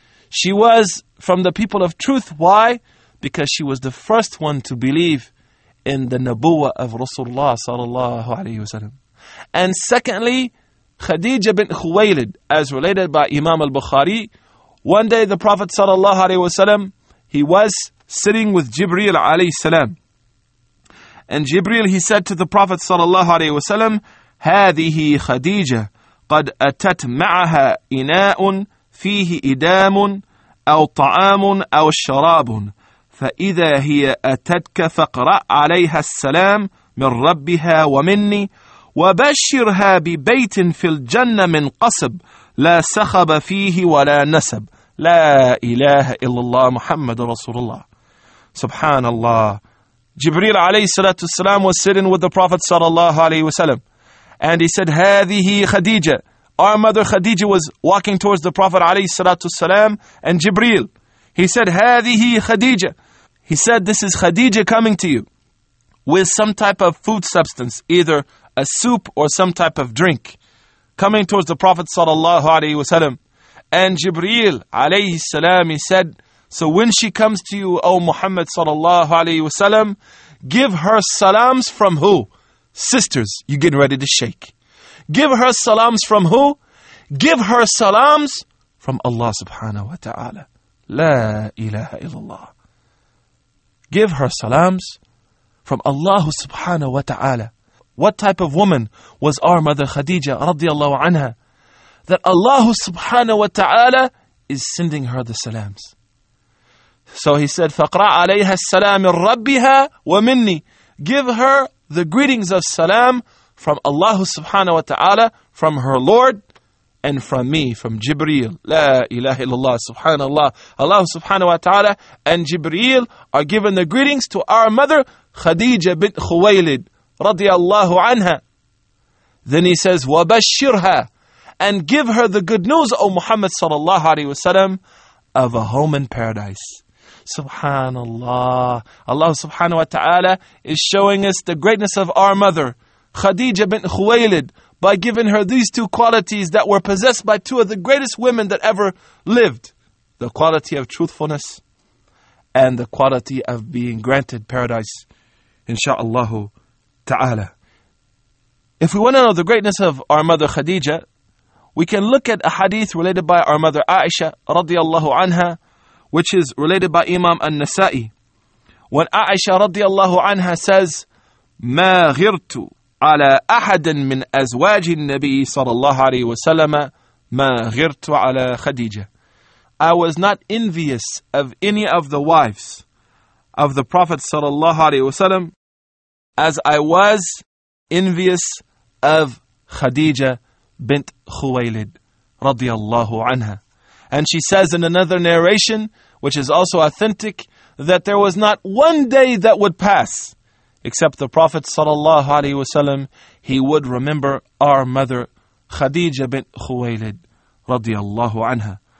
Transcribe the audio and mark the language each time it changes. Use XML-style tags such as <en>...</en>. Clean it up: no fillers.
<en>She was from the people of truth. Why? Because she was the first one to believe in the nabuwah of Rasulullah sallallahu alayhi wa sallam. And secondly, Khadija bint Khuwaylid, as related by Imam al-Bukhari, one day the Prophet sallallahu alayhi wa sallam, he was sitting with Jibreel alayhi salam. And Jibreel, he said to the Prophet sallallahu alayhi wasallam,</en> <ar>هَذِهِ خَدِيجَةٌ قَدْ أَتَتْ مَعَهَا إِنَاءٌ فِيهِ إِدَامٌ أَوْ طَعَامٌ أَوْ شَرَابٌ فَإِذَا هِيَ أَتَتْكَ فَقْرَأْ عَلَيْهَا السَّلَامُ مِنْ رَبِّهَا وَمِنِّي وَبَشِّرْهَا بِبَيْتٍ فِي الْجَنَّةِ مِنْ قَصَبٍ لَا سَخَبَ فِيهِ وَلَا نَسَبٍ لَا إِلَهَ إِلَّا اللَّهُ مُحَمَّدٌ رَسُولُ اللَّهِ سُبْحَانَ اللَّهِ.</ar> <en>Jibreel alayhi salatu wasalam was sitting with the Prophet sallallahu alayhi wasalam, and he said,</en> <ar>هَذِهِ خَدِيجَة.</ar> <en>Our mother Khadija was walking towards the Prophet alayhi salatu wasalam, and Jibreel, he said,</en> <ar>هَذِهِ خَدِيجَة.</ar> <en>He said, this is Khadija coming to you with some type of food substance, either a soup or some type of drink, coming towards the Prophet sallallahu alayhi wasalam. And Jibreel alayhi salam, he said, so when she comes to you, O Muhammad sallallahu alayhi wasalam, give her salams from who? Sisters, you're getting ready to shake. Give her salams from who? Give her salams from Allah subhanahu wa ta'ala. La ilaha illallah. Give her salams from Allah subhanahu wa ta'ala. What type of woman was our mother Khadija radiallahu anha, that Allah subhanahu wa ta'ala is sending her the salams? So he said,</en> <ar>فَقْرَعْ عَلَيْهَا السَّلَامِ رَبِّهَا وَمِنِّي.</ar> <en>Give her the greetings of salam from Allah subhanahu wa ta'ala, from her Lord, and from me, from Jibreel. La ilaha illallah, subhanallah. Allah subhanahu wa ta'ala and Jibreel are given the greetings to our mother Khadija bint Khuwaylid radiallahu anha. Then he says, وَبَشِّرْهَا, and give her the good news, O Muhammad sallallahu alayhi wa sallam, of a home in paradise. Subhanallah. Allah subhanahu wa ta'ala is showing us the greatness of our mother Khadija bint Khuwaylid by giving her these two qualities that were possessed by two of the greatest women that ever lived: the quality of truthfulness and the quality of being granted paradise, insha'Allah ta'ala. If we want to know the greatness of our mother Khadija, we can look at a hadith related by our mother Aisha radiallahu anha, which is related by Imam An-Nasa'i. When Aisha radiallahu anha says,</en> <ar>مَا غِرْتُ عَلَىٰ أَحَدٍ مِّنْ أَزْوَاجِ النَّبِيِّ صَلَى اللَّهُ عَلَيْهِ وَسَلَّمَ مَا غِرْتُ عَلَىٰ خَدِيجَةٍ.</ar> <en>I was not envious of any of the wives of the Prophet sallallahu alayhi wasallam as I was envious of Khadija bint Khuwaylid radiallahu anha. And she says in another narration, which is also authentic, that there was not one day that would pass except the Prophet sallallahu alayhi wasallam, he would remember our mother Khadija bint Khuwaylid radiallahu anha.</en>